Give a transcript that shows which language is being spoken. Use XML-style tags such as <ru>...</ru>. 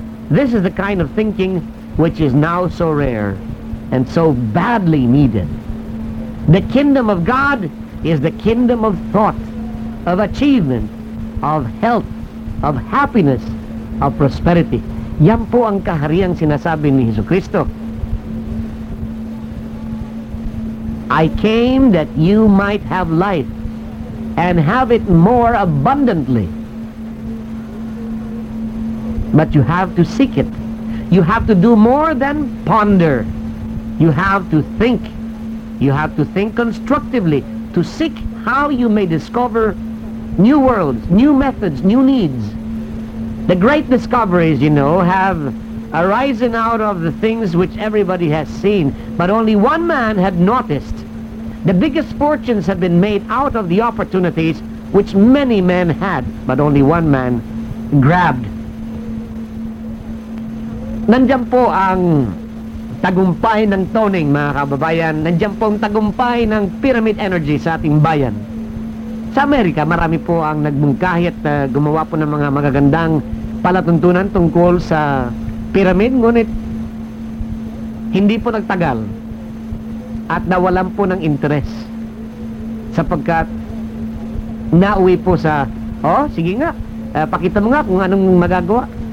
<en>This is the kind of thinking which is now so rare and so badly needed. The kingdom of God is the kingdom of thought, of achievement, of health, of happiness, of prosperity.</en> <tl>Yan po ang kahariyang sinasabi ni Hesus Kristo.</tl> <en>I came that you might have life and have it more abundantly. But you have to seek it. You have to do more than ponder. You have to think. You have to think constructively to seek how you may discover new worlds, new methods, new needs. The great discoveries, you know, have arisen out of the things which everybody has seen, but only one man had noticed. The biggest fortunes have been made out of the opportunities which many men had, but only one man grabbed.</en> <tl>Nandiyan po ang tagumpay ng toning, mga kababayan. Nandiyan po ang tagumpay ng pyramid energy sa ating bayan. Sa Amerika, marami po ang nagmungkahi at gumawa po ng mga magagandang palatuntunan tungkol sa pyramid, ngunit hindi po nagtagal at nawalan po ng interes sapagkat nauwi po sa, oh, sige nga, pakita mo nga kung anong magagawa.</tl>